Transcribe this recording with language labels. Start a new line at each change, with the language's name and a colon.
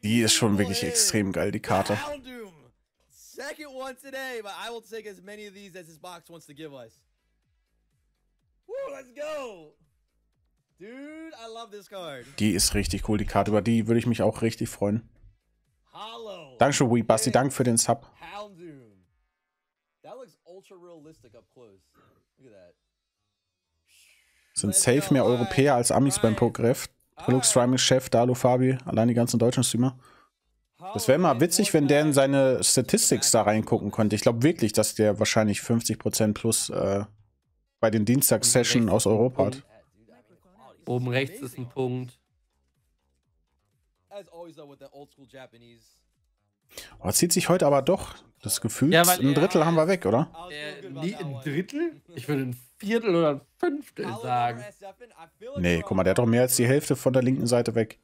German: die ist schon wirklich extrem geil, die Karte. Haldum.
English: Second one today, but I will take as many of these as this box wants to give us. Woo, let's go. Dude, I love this card.
German: Die ist richtig cool, die Karte. Über die würde ich mich auch richtig freuen. Hallo. Dankeschön, Wee Basti. Hey. Danke für den Sub.
English: Haldum. That looks ultra realistic up close. Look at that.
German: Sind safe mehr Europäer als Amis beim Pokref. Hallux Streaming Chef, Dalu Fabi, allein die ganzen deutschen Streamer. Das wäre mal witzig, wenn der in seine Statistics da reingucken könnte. Ich glaube wirklich, dass der wahrscheinlich 50% plus bei den Dienstags-Sessions aus Europa hat. Oben rechts ist ein Punkt.
English: As always though, with the old school Japanese.
German: Oh, das zieht sich heute aber doch. Das Gefühl, ja, ein Drittel haben wir weg, oder? Nee, ein Drittel? Ich würde ein Viertel oder ein Fünftel sagen. Nee, guck mal, der hat doch mehr als die Hälfte von der linken Seite weg.